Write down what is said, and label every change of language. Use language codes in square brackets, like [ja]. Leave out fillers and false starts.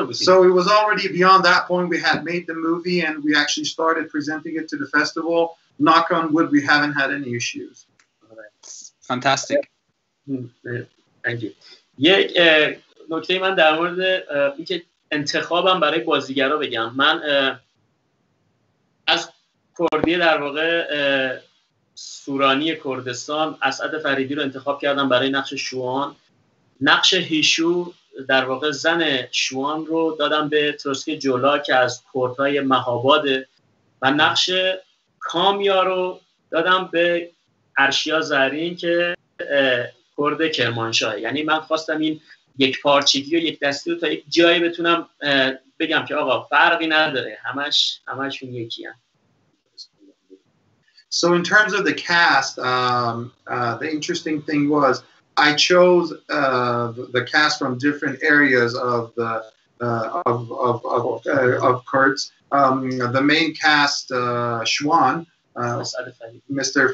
[en] So it was already beyond that point. We had made the movie and we actually started presenting it to the festival. Knock on wood, we haven't had any issues. Fantastic. Thank you. [fa] یک نکته من در مورد اینکه انتخابم برای بازیگرا بگم. من از کردی در واقع سورانی کردستان اسعد فریدی رو انتخاب کردم برای نقش شوان. نقش هیشو در واقع زن شوان رو دادم به ترسکی جولا که از کردهای مهاباده و نقش کامیا رو دادم به ارشیا زرین که کرد کرمانشاه یعنی من خواستم این یک پارچگی و یک دستی رو تا یک جایی بتونم بگم که آقا فرقی نداره همش اون یکی هم [en] So in terms of the cast, the interesting thing was I chose the cast from different areas of the of Kurds. The main cast, Showan, Mr.